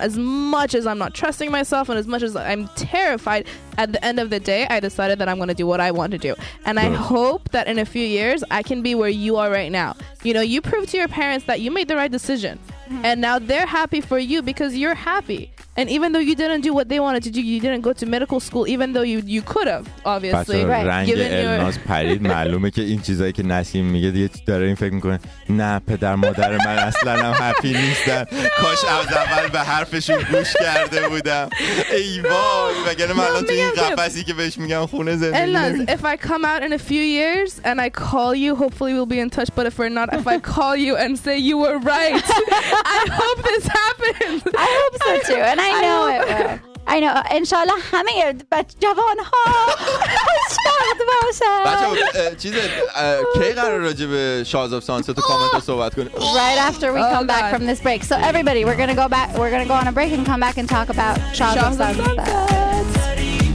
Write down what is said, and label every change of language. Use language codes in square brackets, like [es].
[en] As much as I'm not trusting myself and as much as I'm terrified, at the end of the day, I decided that I'm going to do what I want to do. And I hope that in a few years, I can be where you are right now. You know, you proved to your parents that you made the right decision. And now they're happy for you because you're happy. And even though you didn't do what they wanted to do, you didn't go to medical school, even though you could have, obviously. [fa] بچه رنگ الناز پرید. معلومه که این چیزایی که نسیم میگه دیگه داره این فکر میکنه نه پدر مادر من اصلا هم هپی نیستن. کاش از اول به حرفشون گوش کرده بودم. ای وای، مگر من الان تو این قفصی که بهش میگم خونه زندگی نمیکنم. [en] Elnaz, if I come out in a few years and I call you, hopefully we'll be in touch. But if we're not, if I call you and say you were right, I hope this happens. I hope so too. And I know. [fa] انشالله همه جوان ها شاد باشن. بچه چیزه، کی قرار راجب شاز آف سانسه تو کامنت رو صحبت کنی؟ [en] Right after we come back from this break. So everybody, we're gonna go on a break and come back and talk about Shaz of Sunset.